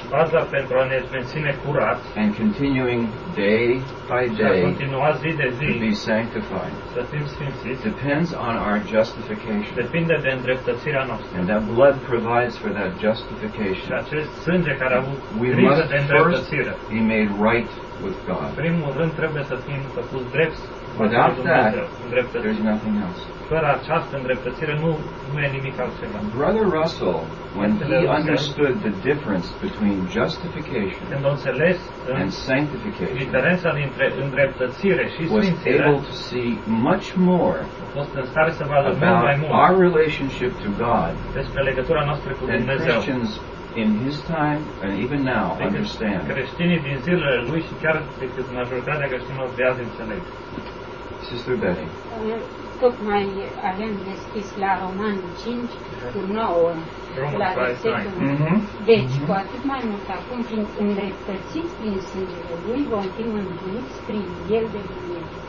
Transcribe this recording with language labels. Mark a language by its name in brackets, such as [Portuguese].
[Romanian] baza pentru a ne menține curat, [English] and continuing day by day [Romanian] zi de zi, [English] to be sanctified, [Romanian] să fim sfințiți, [English] depends on our justification. [Romanian] Depinde de îndreptățirea noastră. [English] And that blood provides for that justification. [Romanian] Și acest sânge care a avut [English] we must first be made right with God. [Romanian] În primul rând trebuie să fim făcuți drepți. [English] Without that, there's nothing else. Brother Russell, when he understood the difference between justification and sanctification, was able to see much more about our relationship to God than Christians in his time and even now understand. [Romanian] Creștinii din zilele lui și chiar decât majoritatea creștinilor de azi înțeleg. [English] Sister Betty. [Romanian] Tocmai avem deschis la Romani 5 cu 9 la versetul. Deci, cu atât mai mult acum, fiind îndreptățiți prin sângele lui, vom fi mântuiți prin el de mine.